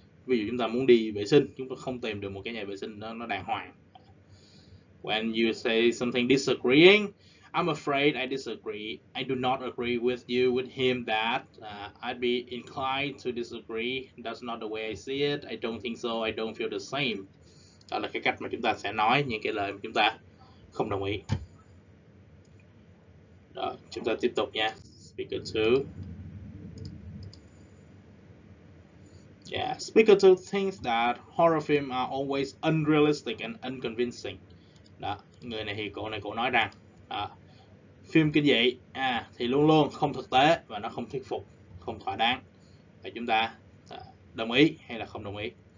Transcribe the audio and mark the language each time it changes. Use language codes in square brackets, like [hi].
[vi] Ví dụ chúng ta muốn đi vệ sinh, chúng ta không tìm được một cái nhà vệ sinh nó đàng hoàng. [en] When you say something disagreeing, I'm afraid I disagree. I do not agree with you, with him, that I'd be inclined to disagree. That's not the way I see it. I don't think so. I don't feel the same. [vi] Đó là cái cách mà chúng ta sẽ nói những cái lời mà chúng ta không đồng ý. Đó, chúng ta tiếp tục nha. [en] Speaker 2. Yeah, speaker 2 thinks that horror films are always unrealistic and unconvincing. [vi] Đó, người này thì cổ nói rằng phim kinh dị thì luôn luôn không thực tế và nó không thuyết phục, không thỏa đáng. Và chúng ta đồng ý hay là không đồng ý.